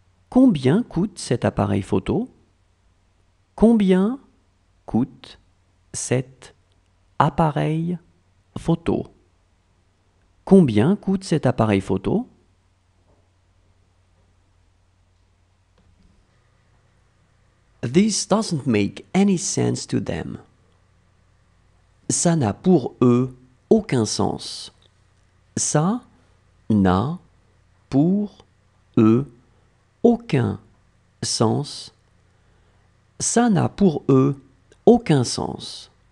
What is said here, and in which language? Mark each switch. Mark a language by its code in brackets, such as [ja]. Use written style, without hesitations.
[fr] Combien coûte cet appareil photo? Combien coûte cet appareil photo? Combien coûte cet appareil photo? [en] This doesn't make any sense to them. [fr] Ça n'a pour eux aucun sens. Ça n'a pour eux aucun sens. Ça n'a pour eux aucun sens.